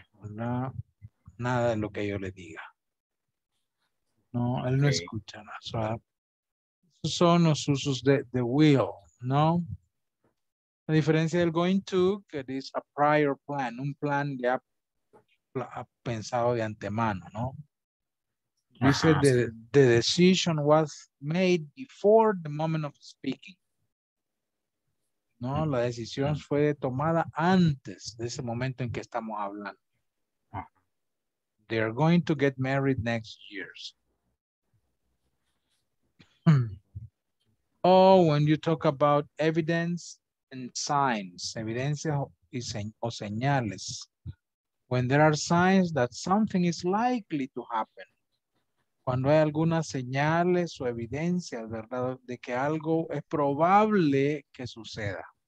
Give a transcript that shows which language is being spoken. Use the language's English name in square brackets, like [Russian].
[Spanish] No, nada de lo que yo le diga. No, él no escucha nada. So, son los usos de the will, ¿no? A diferencia del going to, que es [English] a prior plan, [Spanish] un plan ya pensado de antemano, ¿no? Dice, [English] the decision was made before the moment of speaking. [Spanish] ¿No? La decisión fue tomada antes de ese momento en que estamos hablando. [English] They are going to get married next year. Oh, when you talk about evidence and signs, [Spanish] evidencia o señales, [English] when there are signs that something is likely to happen, [Spanish] cuando hay algunas señales o evidencias, ¿verdad?, de que algo es probable que suceda.